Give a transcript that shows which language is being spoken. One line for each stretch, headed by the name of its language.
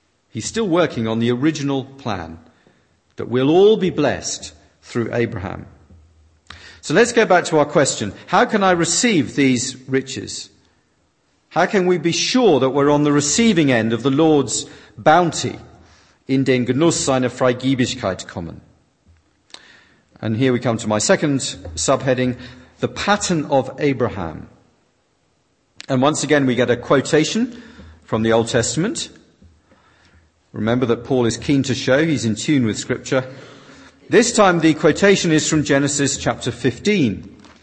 English: He's still working on the original plan that we'll all be blessed through Abraham. So let's go back to our question. How can I receive these riches? How can we be sure that we're on the receiving end of the Lord's bounty?
German: In den Genuss seiner Freigebigkeit kommen.
English: And here we come to my second subheading, the pattern of Abraham. And once again we get a quotation from the Old Testament. Remember that Paul is keen to show, he's in tune with Scripture. This time the quotation is from Genesis chapter 15.